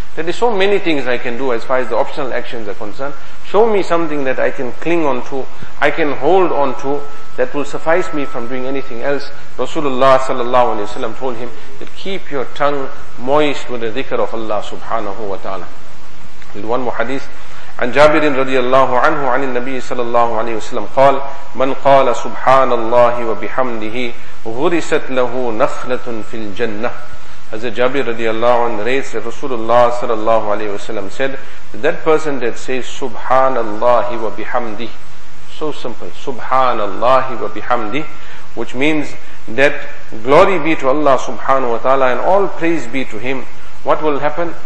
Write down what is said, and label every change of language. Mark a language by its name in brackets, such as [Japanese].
[English] There are so many things I can do as far as the optional actions are concerned. Show me something that I can cling on to, I can hold on to, that will suffice me from doing anything else. Rasulullah sallallahu alaihi wasallam told him that keep your tongue moist with the dhikr of Allah subhanahu wa ta'ala. One more hadith. [Arabic] عن جابر رضي الله عنه عن النبي صلى الله عليه وسلم قال من قال سبحان الله وبحمده غرست له نخلة في الجنة. [English] حضرت جابر رضي الله عنه narrates that Rasulullah صلى الله عليه وسلم said that person that says [Arabic] سبحان الله وبحمده, [English] so simple, سبحان الله وبحمده, which means that glory be to Allah subhanahu wa ta'ala and all praise be to Him, what will happen?